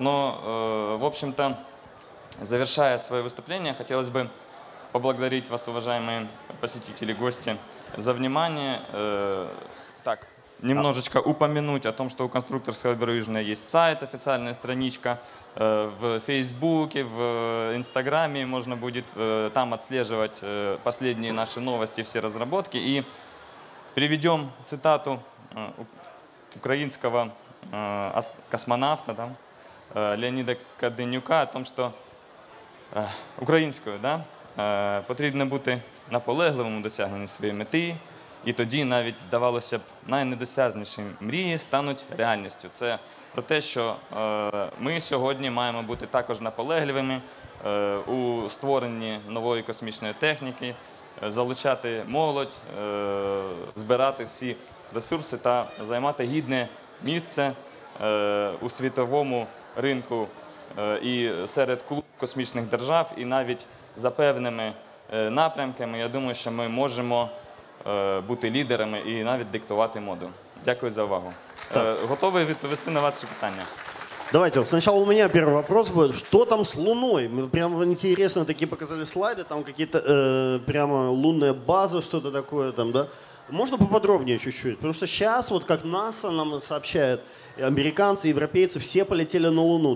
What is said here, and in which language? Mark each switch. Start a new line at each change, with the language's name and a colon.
Russian: Но, в общем-то, завершая свое выступление, хотелось бы поблагодарить вас, уважаемые посетители, гости, за внимание. Так, немножечко упомянуть о том, что у конструкторского бюро «Южное» есть сайт, официальная страничка. В Фейсбуке, в Инстаграме можно будет там отслеживать последние наши новости, все разработки. И приведем цитату украинского космонавта, да, Леонида Каденюка, о том, что
Ukrainian: українською, да, потрібно бути наполегливим у досягненні своєї мети, і тоді навіть, здавалося б, найнедосяжніші мрії стануть реальністю. Це про те, що ми сьогодні маємо бути також наполегливими у створенні нової космічної техніки, залучати молодь, збирати всі ресурси та займати гідне місце у світовому ринку і серед клубів космічних держав, і навіть за певними напрямками, я думаю, що ми можемо бути лідерами і навіть диктувати моду. Дякую за увагу.
Russian: Готовы
Ukrainian: відповісти на ваші питання?
Russian: Давайте, сначала у меня первый вопрос будет. Что там с Луной? Мы прямо интересно такие показали слайды, там какие-то прямо лунная база, что-то такое там, да? Можно поподробнее чуть-чуть? Потому что сейчас, вот как НАСА нам сообщает, американцы, европейцы, все полетели на Луну.